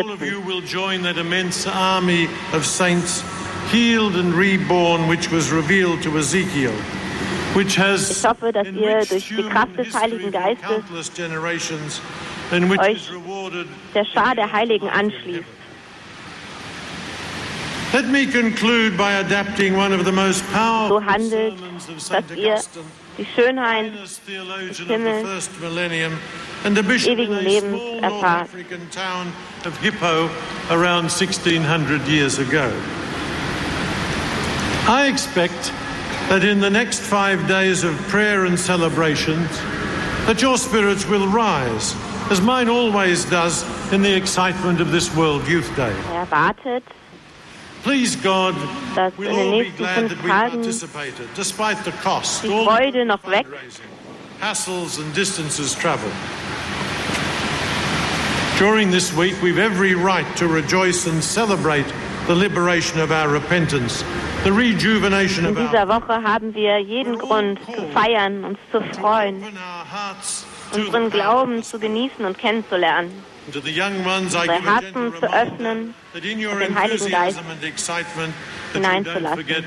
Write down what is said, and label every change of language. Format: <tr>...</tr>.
<en>All of you will join that immense army of saints healed and reborn, which was revealed to Ezekiel.</en> <de>Ich hoffe, dass ihr durch die Kraft des Heiligen Geistes euch der Schar der Heiligen anschließt.</de> <en>Let me conclude by adapting one of the most powerful sermons of Saint Augustine, famous theologian of the first millennium, and a bishop in a small North African town of Hippo around 1600 years ago. I expect that in the next 5 days of prayer and celebrations, that your spirits will rise, as mine always does in the excitement of this World Youth Day. Please God, we'll all be glad that we participated, despite the cost, all the fundraising, hassles and distances traveled. During this week, we've every right to rejoice and celebrate the liberation of our repentance. The rejuvenation</en> <de>in dieser Woche haben wir jeden Grund zu feiern, uns zu freuen, unseren Glauben zu genießen und kennenzulernen, unsere Herzen zu öffnen und den Heiligen Geist hineinzulassen.</de>